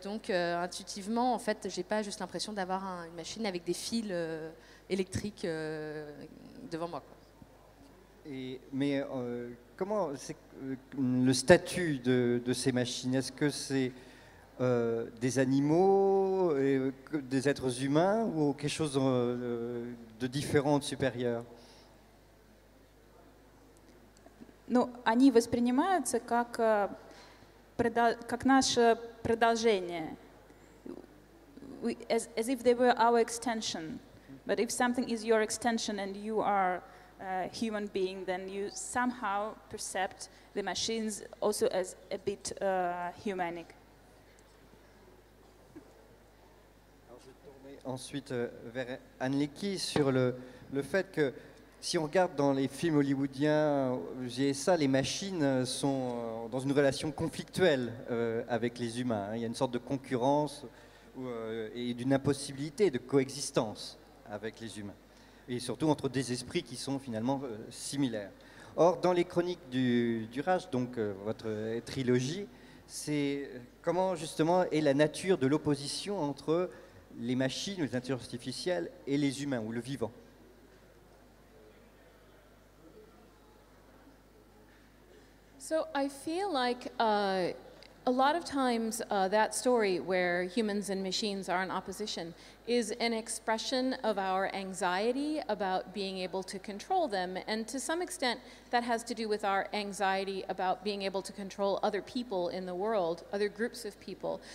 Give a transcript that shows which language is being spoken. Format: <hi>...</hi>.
<fr>Donc, intuitivement, en fait, je n'ai pas juste l'impression d'avoir une machine avec des fils électriques devant moi. Quoi. Comment c'est le statut de ces machines? Est-ce que c'est... des animaux, et des êtres humains ou quelque chose de différent, de supérieur?</fr> <ru>Ну, они воспринимаются как как наше продолжение.</ru> <en>As if they were our extension. But if something is your extension and you are a human being, then you somehow perceive the machines also as a bit humanic.</en> <fr>Ensuite, vers Anne-Lecky, sur le fait que si on regarde dans les films hollywoodiens, GSA, les machines sont dans une relation conflictuelle avec les humains. Il y a une sorte de concurrence et d'une impossibilité de coexistence avec les humains. Et surtout entre des esprits qui sont finalement similaires. Or, dans les chroniques du Raj, donc votre trilogie, c'est comment justement est la nature de l'opposition entre les machines, les intelligences artificielles et les humains ou le vivant.</fr> <en>So I feel like a lot of times that story where humans and machines are in opposition is an expression of our anxiety about being able to control them, and to some extent that has to do with our anxiety about being able to control other people in the world, other groups of people.</en>